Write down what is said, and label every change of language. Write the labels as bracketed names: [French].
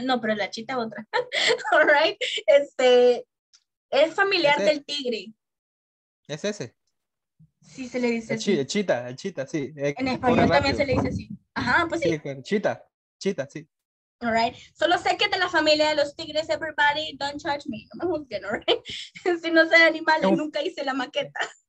[Spanish] No, pero la chita es otra. All right. Es familiar del tigre. Es ese. Sí, se le dice así. Chita, sí. En español también se le dice así. Ajá, pues sí. Chita, sí. [English] All right. [Spanish] Solo sé que es de la familia de los tigres, everybody. [English] Don't judge me. No me juzguen, all right. [Spanish] Si no soy animal, nunca hice la maqueta.